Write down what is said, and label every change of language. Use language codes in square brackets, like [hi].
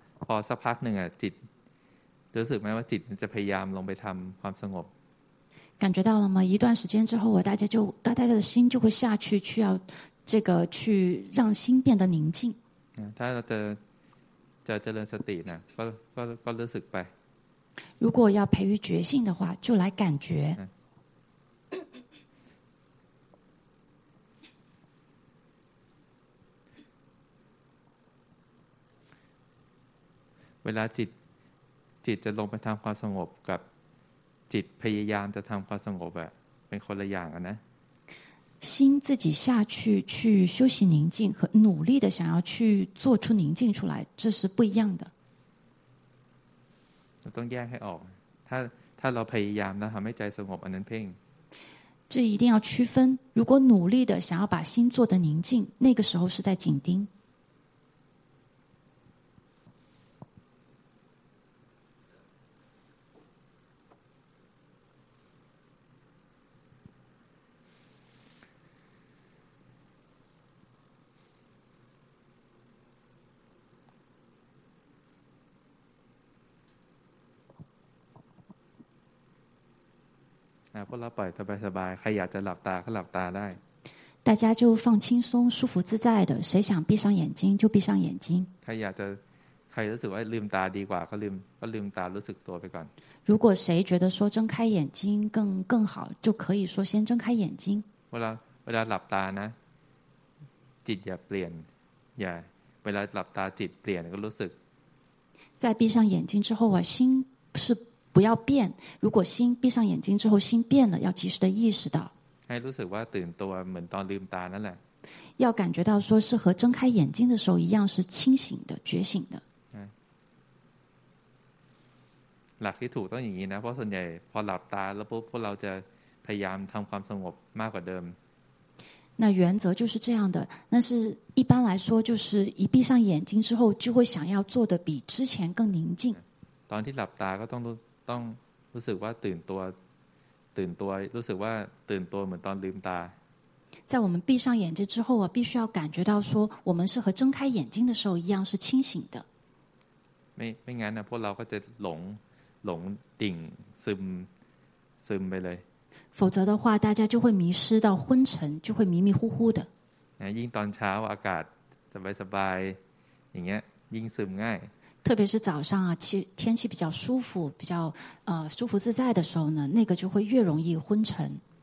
[th] พอสักพักหนึ่งอ่ะจิตรู้สึกไหมว่าจิตจะพยายามลงไปทำความสงบ [zh] 感觉到了吗？一段时间之后，我大家就大家的心就会下去，去要这个去让心变得宁静。 [th] ถ้าจะเจริญสตินะก็รู้สึกไป。 [zh] 如果要培育觉性的话，就来感觉。 [th] เวลาจิตจะลงไปทำความสงบกับจิตพยายามจะทำความสงบอะเป็นคนละอย่างอะนะ [zh] 心自己下去去修习宁静和努力的想要去做出宁静出来这是不一样的 [th] ต้องแยกให้ออกถ้าเราพยายามนะทำให้ใจสงบอันนั้นเพ่ง [zh] 这一定要区分如果努力的想要把心做得宁静那个时候是在紧盯 [th] พวกเราปล่อยสบายๆใครอยากจะหลับตาก็หลับตาได้ [zh] 大家就放轻松舒服自在的谁想闭上眼睛就闭上眼睛 [th] ใครอยากจะใครรู้สึกว่าลืมตาดีกว่าก็ลืมตารู้สึกตัวไปก่อน [zh] 如果谁觉得说睁开眼睛更好就可以说先睁开眼睛 [th] เวลาหลับตานะจิตอย่าเปลี่ยนอย่าเวลาหลับตาจิตเปลี่ยนก็รู้สึก [zh] 在闭上眼睛之后啊心是不要变如果心闭上眼睛之后心变了要及时的意识到 [th] ให้รู้สึกว่าตื่นตัวเหมือนตอนลืมตานั่นแหละ [zh] 要感觉到说是和睁开眼睛的时候一样是清醒的觉醒的 [th] หลักที่ถูกต้องอย่างนี้นะเพราะส่วนใหญ่พอหลับตาแล้วปุ๊บพวกเราจะพยายามทำความสงบมากกว่าเดิม [zh] 那原则就是这样的那是一般来说就是一闭上眼睛之后就会想要做的比之前更宁静 [th] ตอนที่หลับตาก็ต้องรู้สึกว่าตื่นตัวรู้สึกว่าตื่นตัวเหมือนตอนลืมตา [zh] 在我们闭上眼睛之后啊必须要感觉到说我们是和睁开眼睛的时候一样是清醒的 [th] ไม่งั้นนะพวกเราก็จะหลงดิ่งซึมไปเลย [zh] 否则的话大家就会迷失到昏沉就会迷迷糊糊的 [th] ยิ่งตอนเช้าอากาศสบายๆอย่างเงี้ยยิ่งซึมง่าย [zh] 特别是早上啊，天气比较舒服，比较舒服自在的时候呢，那个就会越容易昏沉。